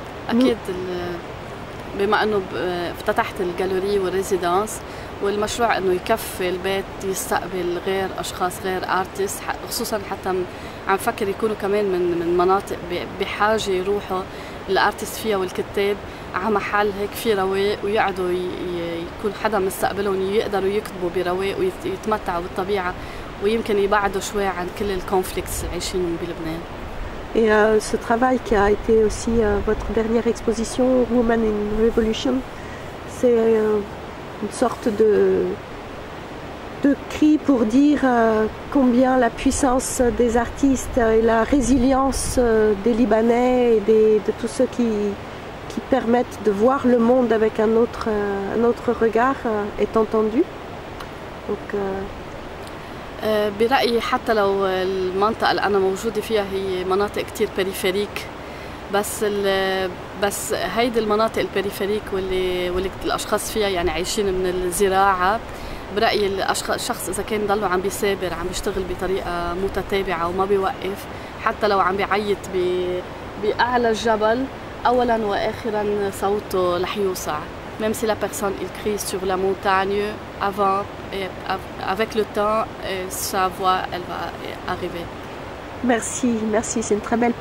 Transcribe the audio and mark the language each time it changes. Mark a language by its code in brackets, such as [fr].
[ar] أكيد بما أنه افتتحت الجاليري والريزيدنس والمشروع أنه يكفي البيت يستقبل غير أشخاص غير أرتست، خصوصا حتى عم فكر يكونوا كمان من مناطق بحاجة يروحوا الأرتست فيها والكتاب على محل هيك في رواق، ويقعدوا يكون حدا مستقبلهم يقدروا يكتبوا برواق ويتمتعوا بالطبيعة، ويمكن يبعدوا شوي عن كل الكونفليكتس عايشين بلبنان. [fr] Et ce travail qui a été aussi votre dernière exposition, Woman in Revolution, c'est une sorte de cri pour dire combien la puissance des artistes et la résilience des Libanais et de tous ceux qui permettent de voir le monde avec un autre regard est entendu. Donc, [ar] برأيي حتى لو المنطقة اللي أنا موجودة فيها هي مناطق كتير بريفيريك، بس هيدي المناطق البريفريك واللي الأشخاص فيها يعني عايشين من الزراعة، برأيي الشخص إذا كان ضلوا عم بيسابر عم بيشتغل بطريقة متتابعة وما بيوقف حتى لو عم بيعيط بأعلى الجبل، أولا وآخرا صوته رح يوسع. [fr] Même si la personne il crie sur la montagne avant et avec le temps sa voix elle va arriver. Merci, merci, c'est une très belle